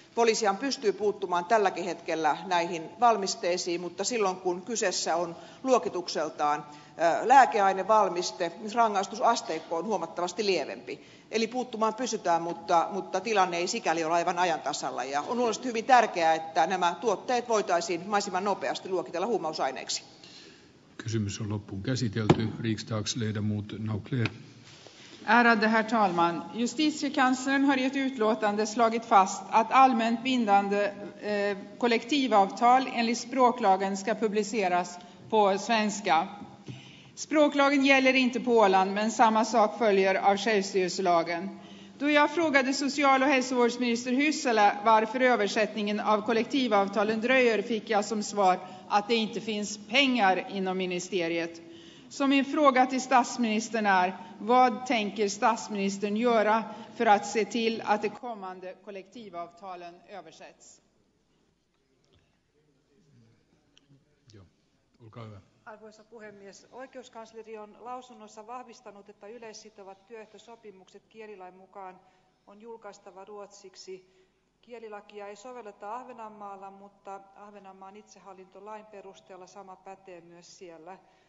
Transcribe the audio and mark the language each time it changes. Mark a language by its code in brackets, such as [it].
[fi] Poliisihan pystyy puuttumaan tälläkin hetkellä näihin valmisteisiin, mutta silloin kun kyseessä on luokitukseltaan lääkeainevalmiste, niin rangaistusasteikko on huomattavasti lievempi. Eli puuttumaan pysytään, mutta tilanne ei sikäli ole aivan ajan tasalla. Ja on luonnollisesti hyvin tärkeää, että nämä tuotteet voitaisiin mahdollisimman nopeasti luokitella huumausaineiksi. Kysymys on loppuun käsitelty. [sv] Riksdagsledamot Naukler. Ärade herr talman, justitiekanslern har i ett utlåtande slagit fast att allmänt bindande kollektivavtal enligt språklagen ska publiceras på svenska. Språklagen gäller inte på Åland, men samma sak följer av självstyrelselagen. Då jag frågade social- och hälsovårdsminister Hyssälä varför översättningen av kollektivavtalen dröjer fick jag som svar att det inte finns pengar inom ministeriet. Så min fråga till statsministern är, vad tänker statsministern göra för att se till att de kommande kollektivavtalen översätts? [fi] Ja, olkaa hyvä. Arvoisa puhemies, oikeuskansleri on lausunnossa vahvistanut, että yleissitovat työehtosopimukset kielilain mukaan on julkaistava ruotsiksi. Kielilakia ei sovelleta Ahvenanmaalla, mutta Ahvenanmaan itsehallintolain perusteella sama pätee myös siellä.